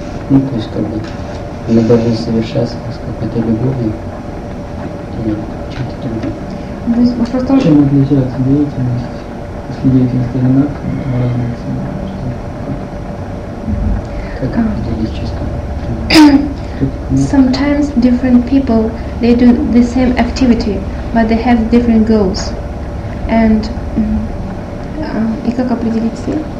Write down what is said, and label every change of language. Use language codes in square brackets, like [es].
[ru] Ну, то есть как бы она должна совершаться с какой-то любовью или чем-то другим. То есть вопрос в том, чем отличается деятельность, если деятельность одинаковая, то разные цели. Как определить чисто? [en] Sometimes different people, they do the same activity, but they have different goals. [ru] And и как определить цель?